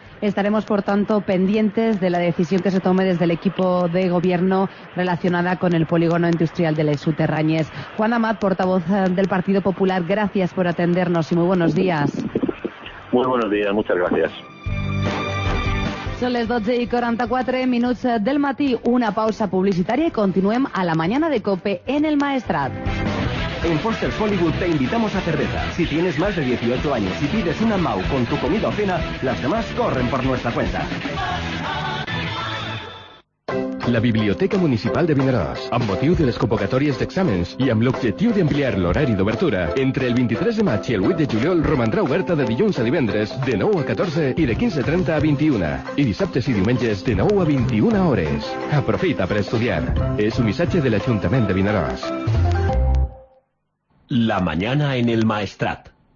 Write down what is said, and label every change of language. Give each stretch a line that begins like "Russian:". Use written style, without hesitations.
Spanish: Estaremos, por tanto, pendientes de la decisión que se tome desde el equipo de gobierno relacionada con el polígono industrial de Les Soterranyes. Juan Amat, portavoz del Partido Popular, gracias por atendernos y muy buenos días. Muy buenos días, muchas gracias.
Catalan: Són les 12 i 44 minuts del matí. Una pausa publicitària i continuem a la mañana de COPE en el Maestrat.
Spanish: En Foster's Hollywood te invitamos a cerveza. Si tienes más de 18 años y pides una MAU con tu comida o cena, las demás corren por nuestra cuenta.
Catalan: La Biblioteca Municipal de Vinaròs, amb motiu de les convocatòries d'exàmens i amb l'objectiu d'ampliar l'horari d'obertura, entre el 23 de maig i el 8 de juliol romandrà oberta de dilluns a divendres, de 9 a 14 i de 15:30 a 21, i dissabtes i diumenges de 9 a 21 hores. Aprofita per estudiar. És un missatge de l'Ajuntament de Vinaròs.
Spanish: La mañana en el Maestrat.